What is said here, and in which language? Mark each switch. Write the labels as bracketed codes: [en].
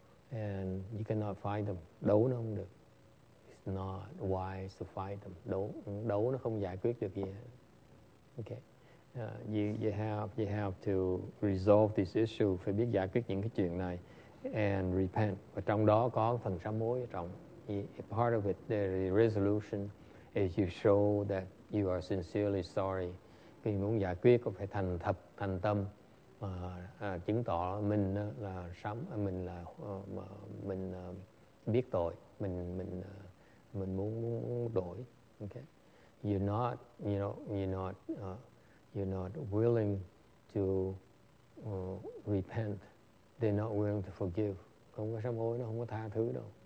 [en] And you cannot fight them, [vi] đấu nó không được. [en] It's not wise to fight them, [vi] đấu nó không giải quyết được gì. [en] Okay, you have to resolve this issue, [vi] phải biết giải quyết những cái chuyện này, [en] and repent. [vi] Và trong đó có phần sám hối ở trong. [en] Part of it, the resolution, is you show that you are sincerely sorry. [vi] Khi muốn giải quyết cũng phải thành thật, thành tâm chứng tỏ mình là sám, mình là mình biết tội, mình muốn đổi. [en] Okay, you're not willing to repent, they're not willing to forgive. [vi] Không có sám hối nó không có tha thứ đâu.